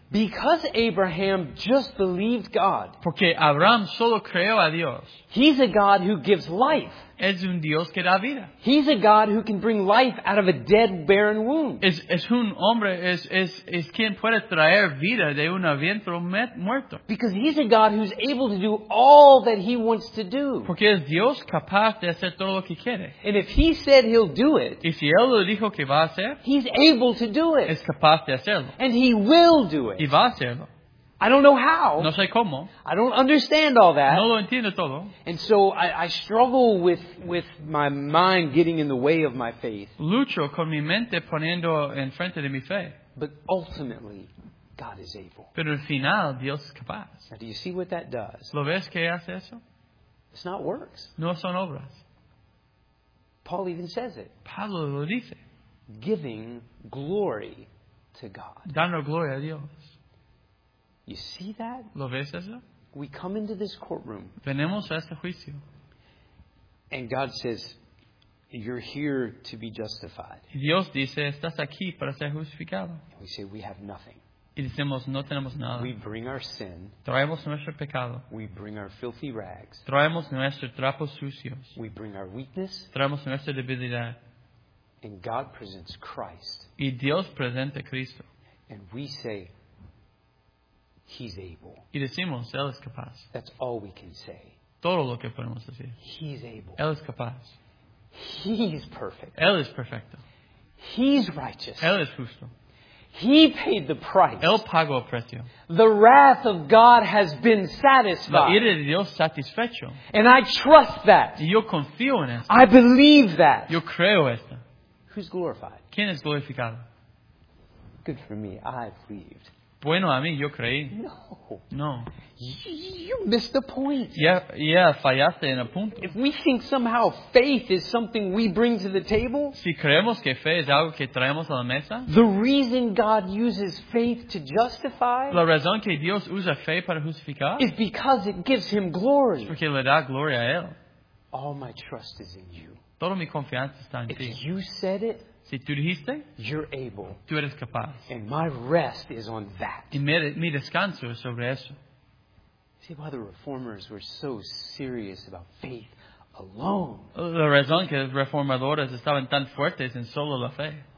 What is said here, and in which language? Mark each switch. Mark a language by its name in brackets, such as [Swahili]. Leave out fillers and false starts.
[English] because Abraham just believed God. [Spanish] Porque Abraham solo creó a Dios. [English] He's a God who gives life. [Spanish] Es un Dios que da vida. [English] He's a God who can bring life out of a dead, barren womb. [Spanish] Es un hombre, es quien puede traer vida de un vientre muerto. [English] Because he's a God who's able to do all that he wants to do. [Spanish] Porque es Dios capaz de hacer todo lo que quiere. [English] And if he said he'll do it, [Spanish] y si él lo dijo que va a hacer, [English] he's able to do it. [Spanish] Es capaz de hacerlo. [English] And he will do it. [Spanish] Y va a hacerlo. [English] I don't know how. [Spanish] No sé cómo. [English] I don't understand all that. [Spanish] No lo entiendo todo. [English] And so I struggle with my mind getting in the way of my faith. [Spanish] Lucho con mi mente poniendo en frente de mi fe. [English] But ultimately, God is able. [Spanish] Pero al final, Dios es capaz. [English] Now, do you see what that does? [Spanish] ¿Lo ves que hace eso? [English] It's not works. [Spanish] No son obras. [English] Paul even says it. [Spanish] Pablo lo dice. [English] Giving glory to God. [Spanish] Dando gloria a Dios. [English] You see that? [Spanish] ¿Lo ves eso? [English] We come into this courtroom. [Spanish] Venimos a este juicio. [English] And God says, you're here to be justified. [Spanish] Y Dios dice, estás aquí para ser justificado. [English] And we say, we have nothing. [Spanish] Y decimos, no tenemos nada. [English] We bring our sin. [Spanish] Traemos nuestro pecado. [English] We bring our filthy rags. [Spanish] Traemos nuestros trapos sucios. [English] We bring our weakness. [Spanish] Traemos nuestra debilidad. [English] And God presents Christ. [Spanish] Y Dios presenta a Cristo. [English] And we say, he's able. [Spanish] Y decimos, él es capaz. [English] That's all we can say. [Spanish] Todo lo que podemos decir. [English] He's able. [Spanish] Él es capaz. [English] He's perfect. [Spanish] Él es perfecto. [English] He's righteous. [Spanish] Él es justo. [English] He paid the price. [Spanish] Él pagó el precio. [English] The wrath of God has been satisfied. [Spanish] La ira de Dios satisfecho. [English] And I trust that. [Spanish] Y yo confío en esto. [English] I believe that. [Spanish] Yo creo esto. [English] Who's glorified? [Spanish] ¿Quién es glorificado? [English] Good for me. I believed. [Spanish] Bueno, a mí, yo creí. [English] No. [Spanish] No. [English] You missed the point. Yeah, [Spanish] fallaste en el punto. [English] If we think somehow faith is something we bring to the table, [Spanish] si creemos que fe es algo que traemos a la mesa, [English] the reason God uses faith to justify, [Spanish] la razón que Dios usa fe para justificar, [English] is because it gives him glory. [Spanish] Es porque le da gloria a él. [English] All my trust is in you. [Spanish] Toda mi confianza está en [English] if [Spanish] ti. [English] If you said it, [Spanish] si tú dijiste, [English] you're able. [Spanish] Tú eres capaz. [English] And my rest is on that. [Spanish] Y mi descanso es sobre eso. [English] See why the reformers were so serious about faith alone. [Spanish] La razón que los reformadores estaban tan fuertes en solo la fe.